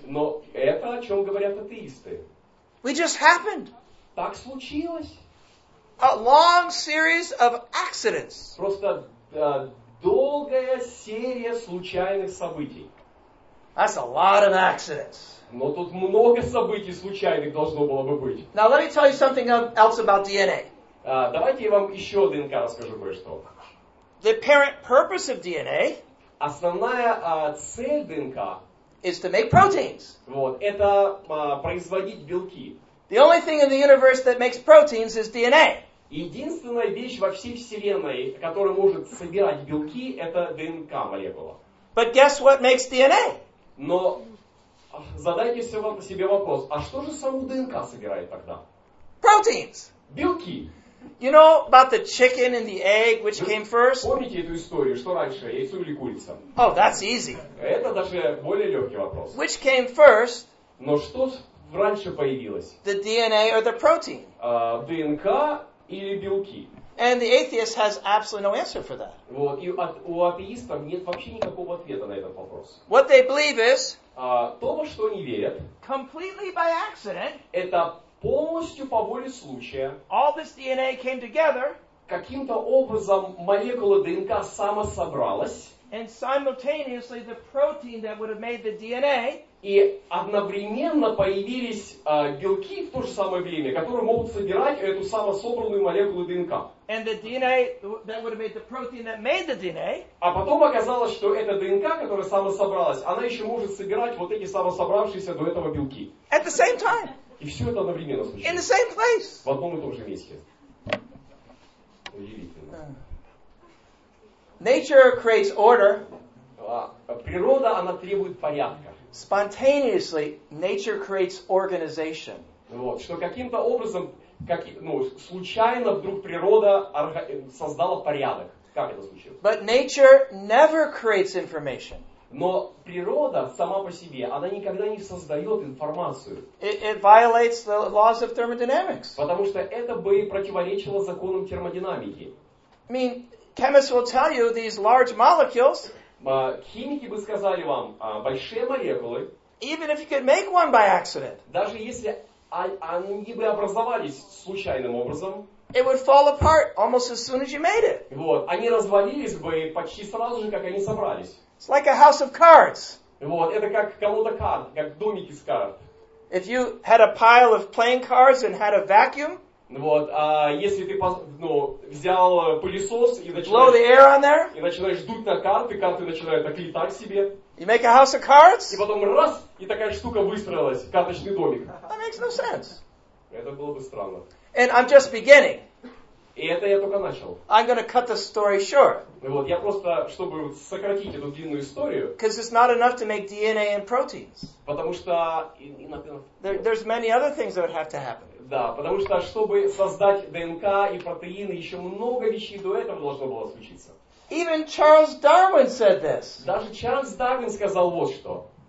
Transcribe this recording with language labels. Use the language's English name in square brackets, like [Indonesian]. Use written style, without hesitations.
[Russian] Но это о чем говорят атеисты. [English] We just happened. [Russian] Так случилось. [English] A long series of accidents. [Russian] Просто долгая серия случайных событий. [English] That's a lot of accidents. [Russian] Но тут много событий случайных должно было бы быть. [English] Now let me tell you something else about DNA. [Russian] Давайте я вам еще ДНК расскажу кое-что. [English] The apparent purpose of DNA [Russian] основная, цель ДНК [English] is to make proteins. [Russian] Вот, это, производить белки. [English] The only thing in the universe that makes proteins is DNA. [Russian] Единственная вещь во всей вселенной, которая может собирать белки, это ДНК молекула. [English] But guess what makes DNA? [Russian] Но задайте себе вопрос, а что же саму ДНК собирает тогда? [English] Proteins. [Russian] Белки. [English] You know about the chicken and the egg, which came first? [Russian] Помните эту историю, что раньше, яйцо или курица? [English] Oh, that's easy. [Russian] Это даже более легкий вопрос. [English] Which came first? [Russian] Но что раньше появилось? [English] The DNA or the protein? [Russian] ДНК или белки? [English] And the atheist has absolutely no answer for that. [Russian] Вот, и у атеистов нет вообще никакого ответа на этот вопрос. [English] What they believe is? [Russian] То, во что они верят. [English] Completely by accident. [Russian] Это полностью по воле случая. [English] All this DNA came together. [Russian] Каким-то образом молекула ДНК сама собралась. [English] And simultaneously the protein that would have made the DNA. [Russian] И одновременно появились белки в то же самое время, которые могут собирать эту самособранную молекулу ДНК. [English] And the DNA that would have made the protein that made the DNA. [Russian] А потом оказалось, что эта ДНК, которая самособралась, она еще может собирать вот эти самособравшиеся до этого белки. [English] At the same time. [Russian] И все это одновременно случилось. [English] In the same place. [Russian] В одном и том же месте. Удивительно. [English] Nature creates order. [Russian] Природа, она требует порядка. [English] Spontaneously, nature creates organization. [Russian] Вот, что каким-то образом, случайно вдруг природа создала порядок. Как это случилось? [English] But nature never creates information. [Russian] Но природа сама по себе, она никогда не создает информацию. [English] It violates the laws of thermodynamics. [Russian] Потому что это бы противоречило законам термодинамики. [English] I mean, chemists will tell you these large molecules. [Russian] Химики бы сказали вам, большие молекулы. [English] Even if you could make one by accident. [Russian] Даже если они бы образовались случайным образом. [English] It would fall apart almost as soon as you made it. [Russian] Вот, они развалились бы почти сразу же, как они собрались. [English] It's like a house of cards. [Russian] Вот, это как колода карт, как домик из карт. [English] If you had a pile of playing cards and had a vacuum, [Russian] вот, а если ты, ну, взял пылесос и начинаешь, [English] blow the air on there, [Russian] и начинаешь дуть на карты, карты начинают так летать себе, [English] you make a house of cards, [Russian] и потом раз, и такая штука выстроилась, карточный домик. [English] That makes no sense. [Russian] Это было бы странно. [English] And I'm just beginning. [Russian] И это я только начал. [English] I'm going to cut the story short. [Russian] Вот, я просто, чтобы сократить эту длинную историю. [English] Because it's not enough to make DNA and proteins. [Russian] Потому что... [English] There's many other things that would have to happen. [Russian] Да, потому что, чтобы создать ДНК и протеины, еще много вещей до этого должно было случиться. [English] Even Charles Darwin said this. [Russian] Даже Чарльз Дарвин сказал вот что.